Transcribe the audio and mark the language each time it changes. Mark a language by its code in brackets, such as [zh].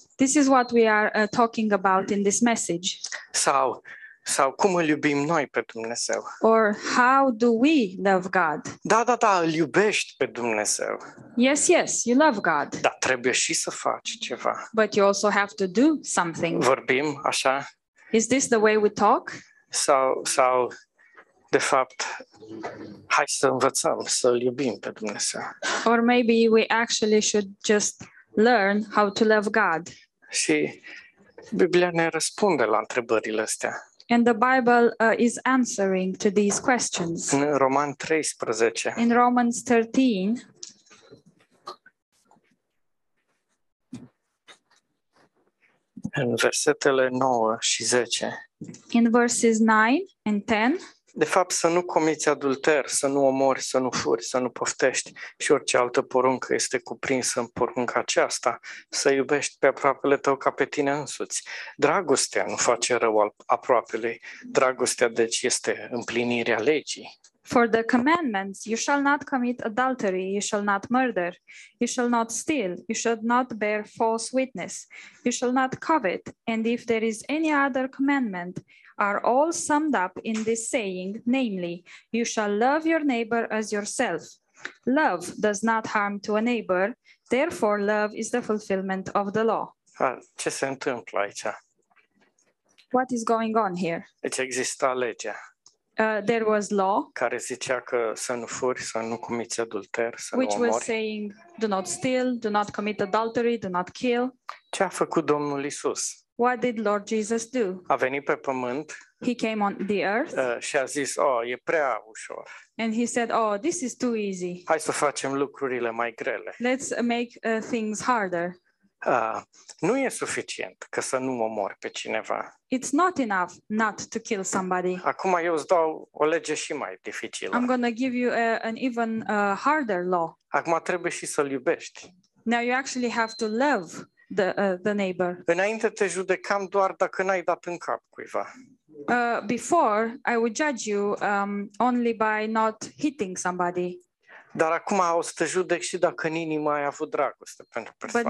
[en] This is what we are talking about in this message. [ro] Sau cum îl iubim noi pe Dumnezeu? [en] Or how do we love God? [ro] Da, da, da, îl iubești pe Dumnezeu. [en] Yes, yes, you love God. [ro] Dar trebuie și să faci ceva. [en] But you also have to do something. [ro] Vorbim așa? [en] Is this the way we talk? [ro] Sau de fapt, hai să învățăm să îl iubim pe Dumnezeu. [en] Or maybe we actually should just learn how to love God. [ro] Și Biblia ne răspunde la întrebările astea. [en] And the Bible is answering to these questions. In Roman 13. In Romans 13. [ro] În versetele 9 și 10. [en] In verses 9 and 10. [ro] De fapt, să nu comiți adulter, să nu omori, să nu furi, să nu poftești și orice altă poruncă este cuprinsă în porunca aceasta, să iubești pe aproapele tău ca pe tine însuți. Dragostea nu face rău aproapelui. Dragostea, deci, este împlinirea legii. [en] For the commandments, you shall not commit adultery, you shall not murder, you shall not steal, you shall not bear false witness, you shall not covet, and if there is any other commandment, are all summed up in this saying, namely, you shall love your neighbor as yourself. Love does not harm to a neighbor, therefore love is the fulfillment of the law. [ro] Ce se întâmplă aici? [en] What is going on here? [ro] Deci exista legea. [en] There was law. [ro] Care zicea că să nu furi, să nu comiți adulter, să nu omori. [en] Which was saying, do not steal, do not commit adultery, do not kill. [ro] Ce a făcut Domnul Iisus? [en] What did Lord Jesus do? [ro] A venit pe pământ. [en] He came on the earth. [ro] Și a zis, oh, e prea ușor. [en] And he said, oh, this is too easy. [ro] Hai să facem lucrurile mai grele. [en] Let's make things harder. [ro] Nu e suficient ca să nu omori pe cineva. [en] It's not enough not to kill somebody. [ro] Acum eu îți dau o lege și mai dificilă. [en] I'm going to give you an even harder law. [ro] Acum trebuie și să-l iubești. [en] Now you actually have to love the neighbor. [ro] Înainte te judecam doar dacă n-ai dat în cap cuiva. [en] Before I would judge you only by not hitting somebody. [ro] Dar acum o să te judec și dacă în inimă ai avut dragoste pentru persoană.